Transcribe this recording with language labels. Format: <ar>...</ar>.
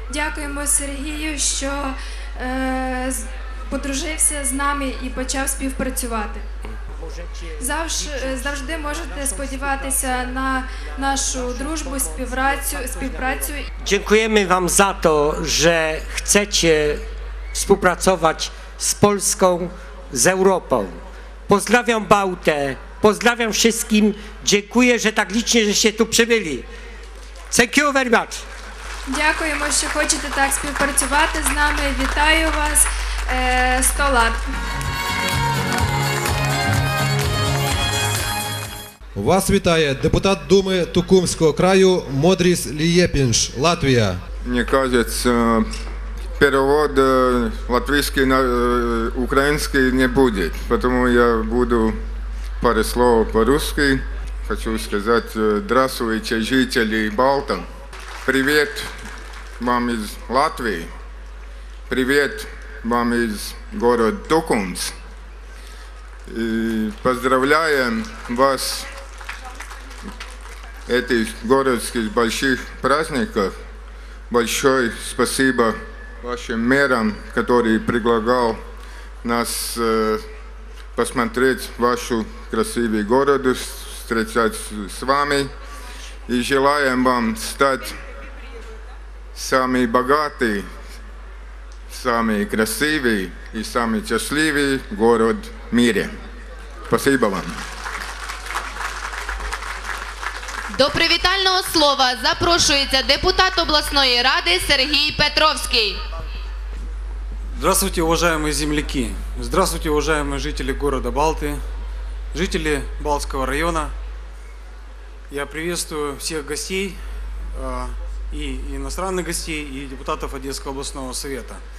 <uk>Дякуємо Сергію, що подружився з нами і почав співпрацювати. Завжди можете сподіватися на нашу дружбу, співпрацю. Дякуємо вам за те, що хочете співпрацювати з Польщею, з Європою.</uk> <ru>Поздравляю Балте, поздравляю</ru> <uk>всім. Дякую, що так лічно, що ще тут прибули.</uk> <en>Thank you very much.</en> <uk>Дякуємо, що хочете так співпрацювати з нами. Вітаю вас. Столад. Вас вітає депутат Думи Тукумського краю Модріс Лієпінш, Латвія. Мені кажеться, перевод латвійський на український не буде, тому я буду</uk> <ru>пару слов по-русски.</ru> <uk>Хочу сказати</uk> <ru>здравствуйте,</ru> <uk>жителі Балтан. Привіт вам із Латвії. Привіт вам із</uk> <ru>город</ru> <uk>Тукумс. І поздравляємо</uk> <ru>вас этих городских больших праздников. Большое спасибо вашим мэрам, который предлагал нас посмотреть вашу красивый город, встречать с вами. И желаем вам стать самый богатый, самый красивый и самый счастливый город в мире. Спасибо вам.</ru> <uk>До привітального слова запрошується депутат обласної ради Сергій Петровський.</uk> <ru>Здравствуйте, уважаемые земляки. Здравствуйте, уважаемые жители города Балты, жители Балтского района. Я приветствую всех гостей, и иностранных гостей, и депутатов Одесского областного совета.</ru>